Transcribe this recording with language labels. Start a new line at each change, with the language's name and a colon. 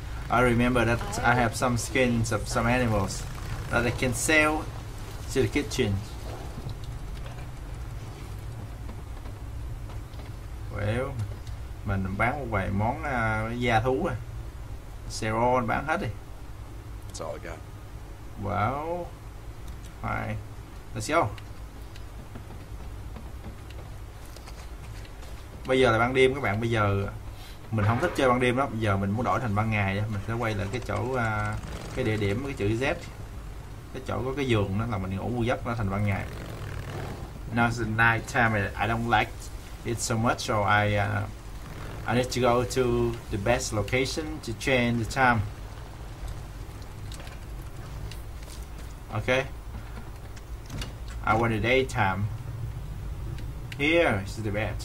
English: I remember that I have some skins of some animals that I can sell to the kitchen.
Vietnamese: Well, mình bán một vài món da thú à. Serol bán hết đi.
English: That's all I got. Well, fine. Let's go.
Vietnamese: Bây giờ là ban đêm các bạn, bây giờ mình không thích chơi ban đêm lắm, bây giờ mình muốn đổi thành ban ngày. Mình sẽ quay lại cái chỗ, cái địa điểm, cái chữ Z. Cái chỗ có cái giường đó là mình ngủ mua giấc nó thành ban ngày.
English: Now it's the night time and I don't like it so much, so I need to go to the best location to change the time. Okay. I want the daytime. Here is the bed.